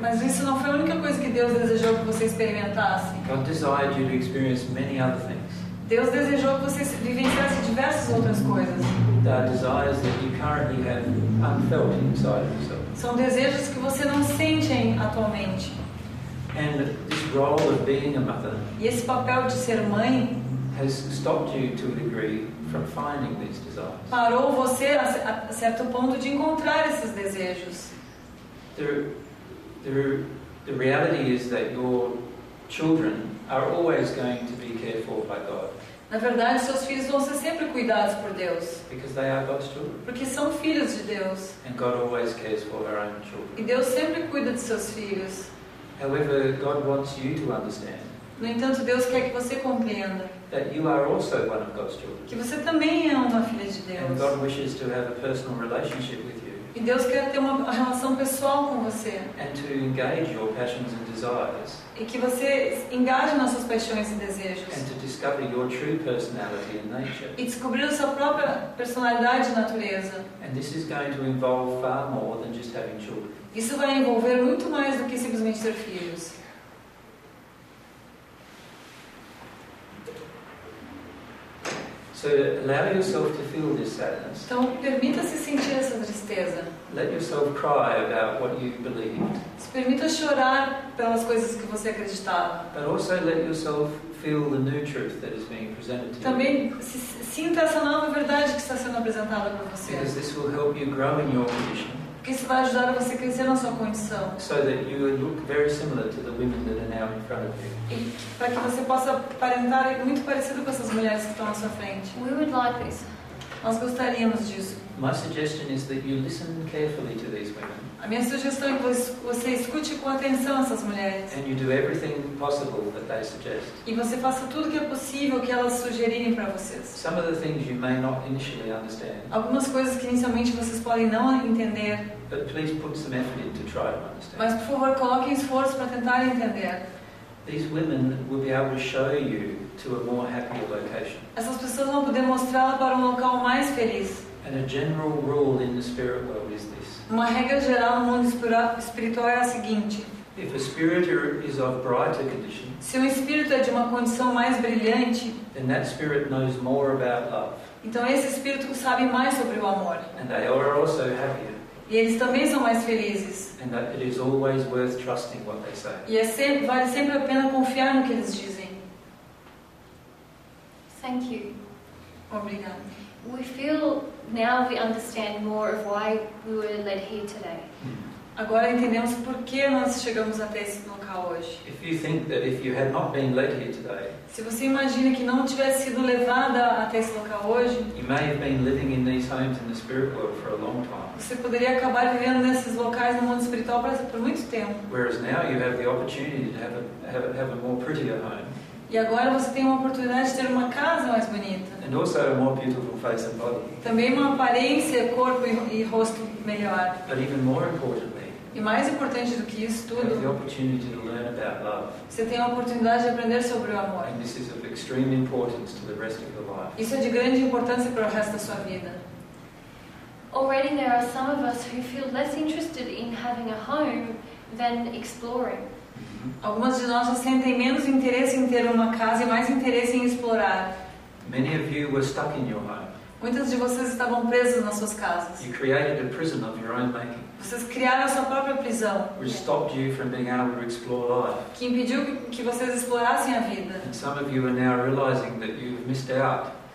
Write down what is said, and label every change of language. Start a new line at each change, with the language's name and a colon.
Portuguese: Mas isso não foi a única coisa que Deus desejou que você experimentasse.
English: God desired you to experience many other things.
Portuguese: Deus desejou que você vivenciasse diversas outras coisas.
English: There are desires that you currently have unfelt inside yourself.
Portuguese: São desejos que você não sente atualmente.
English: And this role of being a mother.
Portuguese: E esse papel de ser mãe
English: has stopped you to a degree from finding these desires.
Portuguese: Parou você a certo ponto de encontrar esses desejos.
English: The reality is that your children are always going to be cared for by God.
Portuguese: Na verdade, seus filhos vão ser sempre cuidados por Deus.
English: Because they are God's children.
Portuguese: Porque são filhos de Deus.
English: And God always cares for their own children.
Portuguese: E Deus sempre cuida de seus filhos.
English: However, God wants you to understand.
Portuguese: No entanto, Deus quer que você compreenda.
English: That you are also one of God's children.
Portuguese: Que você também é uma filha de Deus.
English: And God wishes to have a personal relationship with you.
Portuguese: E Deus quer ter uma relação pessoal com você.
English: And to engage your passions and desires.
Portuguese: E que você engaje nas suas paixões e desejos.
English: And to discover your true personality and nature.
Portuguese: E descobrir a sua própria personalidade e natureza.
English: And this is going to involve far more than just having children.
Portuguese: Isso vai envolver muito mais do que simplesmente ter filhos.
English: So allow yourself to feel this sadness.
Portuguese: Então permita-se sentir essa tristeza.
English: Let yourself cry about what you've believed.
Portuguese: Se permita chorar pelas coisas que você acreditava.
English: But also let yourself feel the new truth that is being presented to you.
Portuguese: Também sinta essa nova verdade que está sendo apresentada para você.
English: Because this will help you grow in your condition.
Portuguese: Porque isso vai ajudar você a crescer na sua condição.
English: So that you look very similar to the women that are now in front of you.
Portuguese: Para que você possa aparentar muito parecido com essas mulheres que estão à sua frente.
English: We would like this.
Portuguese: Nós gostaríamos disso.
English: My suggestion is that you listen carefully to these women.
Portuguese: A minha sugestão é que você escute com atenção essas mulheres.
English: And you do everything possible that they suggest.
Portuguese: E você faça tudo que é possível que elas sugerirem para vocês.
English: Some of the things you may not initially understand.
Portuguese: Algumas coisas que inicialmente vocês podem não entender.
English: But please put some effort in to try to understand.
Portuguese: Mas por favor, coloquem esforço para tentar entender.
English: These women will be able to show you to a more happier location.
Portuguese: Essas pessoas vão poder mostrá-la para local mais feliz.
English: And a general rule in the spirit world is this.
Portuguese: Uma regra geral no mundo espiritual é a seguinte.
English: If a spirit is of brighter condition,
Portuguese: se espírito é de uma condição mais brilhante,
English: then that spirit knows more about love.
Portuguese: Então esse espírito sabe mais sobre o amor.
English: And they are also happier.
Portuguese: E eles também são mais felizes.
English: And that it is always worth trusting what they say.
Portuguese: E vale sempre a pena confiar no que eles dizem.
English: Thank you.
Portuguese: Obrigada.
English: We feel now we understand more of why we were led here today.
Portuguese: Agora entendemos por que nós chegamos até esse local hoje.
English: If you think that if you had not been led here today,
Portuguese: se você imagina que não tivesse sido levada até esse local hoje,
English: you may have been living in these homes in the spirit world for a long time.
Portuguese: Você poderia acabar vivendo nesses locais no mundo espiritual por muito tempo.
English: Whereas now you have the opportunity to have a more prettier home.
Portuguese: E agora você tem uma oportunidade de ter uma casa mais bonita.
English: And also a more beautiful face and body.
Portuguese: Também uma aparência, corpo e rosto melhor.
English: But even more importantly,
Portuguese: e mais importante do que isso tudo,
English: the opportunity to learn about love.
Portuguese: Você tem a oportunidade de aprender sobre o amor.
English: And this is of extreme importance to the rest of your life.
Portuguese: Isso é de grande importância para o resto da sua vida.
English: Already there are some of us who feel less interested in having a home than exploring.
Portuguese: Algumas de nós sentem menos interesse em ter uma casa e mais interesse em explorar.
English: Many of you were stuck in your home.
Portuguese: Muitas de vocês estavam presas nas suas casas.
English: You created a prison of your own making.
Portuguese: Vocês criaram a sua própria prisão.
English: Which stopped you from being able to explore life.
Portuguese: Que impediu que vocês explorassem a vida.
English: And some of you are now realizing that you've missed out.